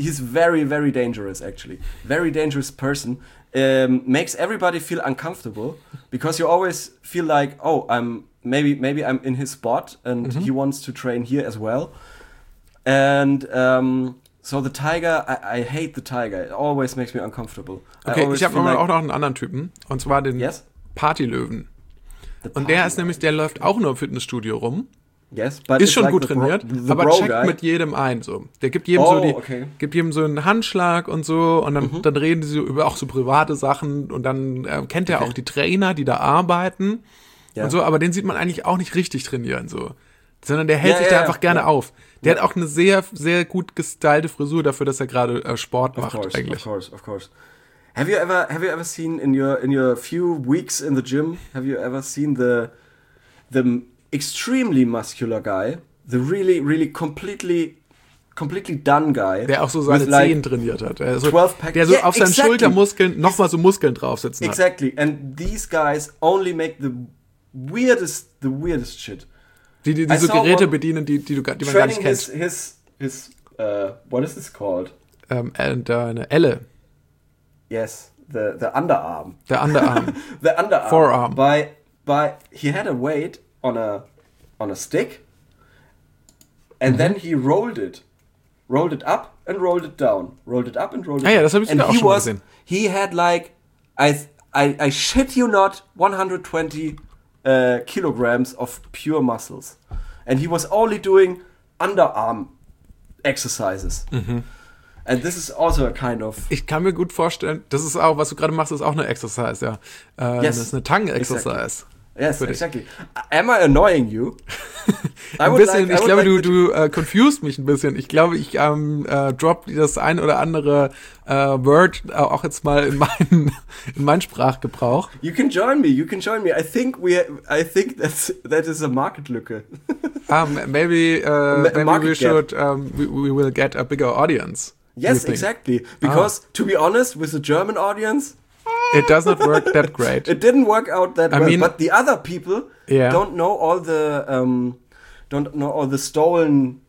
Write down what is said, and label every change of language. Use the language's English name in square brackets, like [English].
[English] he's very, very dangerous actually. Very dangerous person. Makes everybody feel uncomfortable because you always feel like, oh, maybe I'm in his spot and mm-hmm. he wants to train here as well. And so the tiger, I hate the tiger. It always makes me uncomfortable. [German] Okay, ich habe like auch noch einen anderen Typen. Und zwar den [English] yes? [German] Partylöwen. [English] The [German] und der ist nämlich, der läuft auch nur im Fitnessstudio rum. [English] Yes, [German] but ist schon like gut trainiert, aber checkt guy. Mit jedem ein. So. Der gibt jedem, gibt jedem so einen Handschlag und so. Und dann, mhm. dann reden die so über auch so private Sachen. Und dann kennt er auch die Trainer, die da arbeiten. Ja. Und so. Aber den sieht man eigentlich auch nicht richtig trainieren. So. Sondern der hält sich da einfach gerne auf. Der hat auch eine sehr, sehr gut gestylte Frisur dafür, dass er gerade Sport macht. [English] Of course. Have you ever seen in your few weeks in the gym, have you ever seen the extremely muscular guy, the really, really completely done guy? [German] Der auch so seine Zehen like trainiert hat. [English] Also, 12 pack. [German] Der so auf seinen Schultermuskeln nochmal so Muskeln draufsetzen hat. [English] Exactly. And these guys only make the weirdest shit. [German] Die so Geräte bedienen, die man gar nicht kennt. [English] His what is this called? [German] Eine Elle. [English] Yes, the underarm. [German] Der Underarm. [English] The underarm. Forearm. By he had a weight on a stick and mhm. then he rolled it. Rolled it up and rolled it down. Rolled it up and rolled it down. [German] Ja, das habe ich [English] and [German] auch schon mal gesehen. [English] He had like, I shit you not, 120 kilograms of pure muscles. And he was only doing underarm exercises. Mhm. And this is also a kind of... [German] Ich kann mir gut vorstellen, das ist auch, was du gerade machst, ist auch eine Exercise, ja. [English] Yes. [German] Das ist eine Tang-Exercise. [English] Exactly. Yes, exactly. Am I annoying you? [German] Ein bisschen, ich glaube, du confused mich ein bisschen. Ich glaube, ich drop das ein oder andere Word auch jetzt mal in meinen Sprachgebrauch. [English] You can join me. I think that is a market lücke. maybe we will get a bigger audience. Yes, exactly. Because to be honest, with the German audience, it does not work that great. It didn't work out that well. I mean, but the other people don't know all the stolen